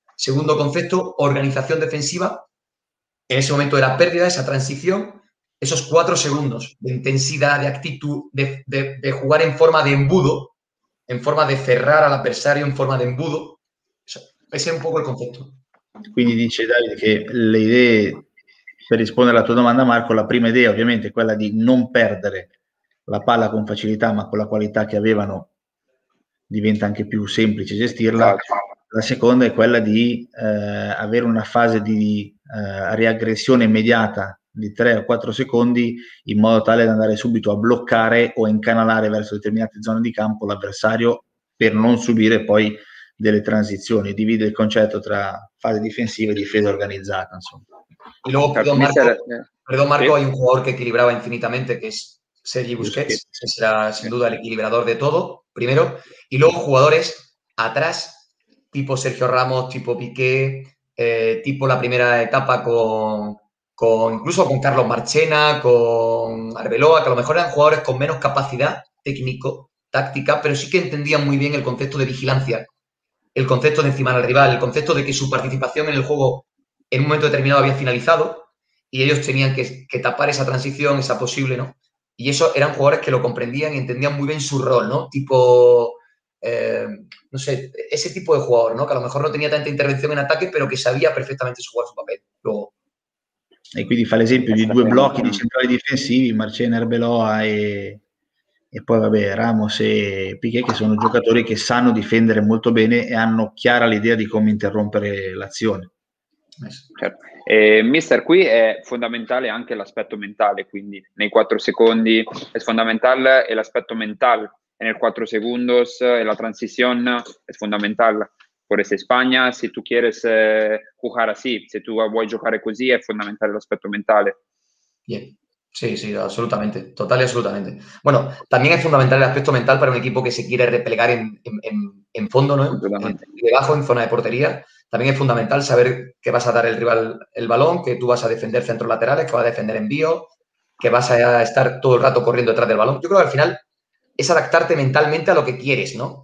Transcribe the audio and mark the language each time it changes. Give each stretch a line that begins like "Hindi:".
Spanish: Segundo concepto, organización defensiva. En ese momento de la pérdida, esa transición, esos 4 segundos de intensidad, de actitud, de jugar en forma de embudo, en forma de cerrar al adversario, en forma de embudo. Ese es un poco el concepto.
Italian: Quindi dice Davide che le idee, per rispondere alla tua domanda Marco, la prima idea ovviamente è quella di non perdere la palla con facilità, ma con la qualità che avevano diventa anche più semplice gestirla. La seconda è quella di avere una fase di riaggressione immediata di 3 o 4 secondi in modo tale da andare subito a bloccare o incanalare verso determinate zone di campo l'avversario per non subire poi delle transizioni. Divide il concetto tra fase difensiva e difesa organizzata, insomma.
Spanish: E luego, perdón, Marco, hay un jugador que equilibraba infinitamente, que es Sergi Busquets, que será sin duda el equilibrador de todo, primero. Y luego jugadores atrás, tipo Sergio Ramos, tipo Piqué, tipo la primera etapa con Carlos Marchena, con Arbeloa, que a lo mejor eran jugadores con menos capacidad técnico-táctica, pero sí que entendían muy bien el concepto de vigilancia, el concepto de encimar al rival, el concepto de que su participación en el juego en un momento determinado había finalizado y ellos tenían que tapar esa transición, esa posible, ¿no? Y eso eran jugadores que lo comprendían y entendían muy bien su rol, ¿no? Tipo, no sé, ese tipo de jugador, ¿no? Que a lo mejor no tenía tanta intervención en ataque, pero que sabía perfectamente jugar su papel. Luego.
Italian: E quindi fa l'esempio di due blocchi di centrali difensivi, Marchena, Arbeloa e poi vabbè Ramos e Piqué, che sono giocatori che sanno difendere molto bene e hanno chiara l'idea di come interrompere l'azione. Certo. Mister, qui è fondamentale anche l'aspetto mentale, quindi nei 4 secondi è fondamentale e l'aspetto mentale è nel 4 segundos e la transizione è fondamentale. Se Spagna, se
Spanish: tu quieres jugar así,
Italian: se tu vuoi giocare così, è fondamentale l'aspetto mentale.
Spanish: Sí, sí, absolutamente, total y absolutamente. Bueno, también es fundamental el aspecto mental para un equipo que se quiere replegar en fondo, ¿no? Debajo, en zona de portería. También es fundamental saber que vas a dar el rival el balón, que tú vas a defender centros laterales, que vas a defender envío, que vas a estar todo el rato corriendo detrás del balón. Yo creo que al final es adaptarte mentalmente a lo que quieres, ¿no?